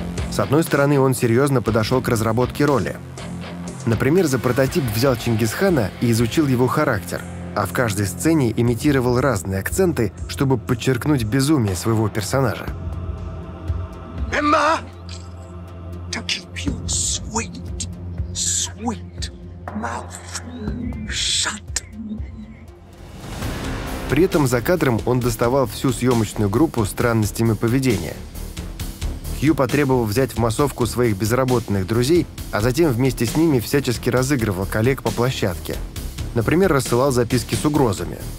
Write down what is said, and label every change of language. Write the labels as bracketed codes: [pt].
[ru] С одной стороны, он серьезно подошел к разработке роли. Например, за прототип взял Чингисхана и изучил его характер, а в каждой сцене имитировал разные акценты, чтобы подчеркнуть безумие своего персонажа. [en] Emma! To keep your sweet, sweet mouth shut. [ru] При этом за кадром он доставал всю съемочную группу странностями поведения. Хью потребовал взять в массовку своих безработных друзей, а затем вместе с ними всячески разыгрывал коллег по площадке. Например, рассылал записки с угрозами.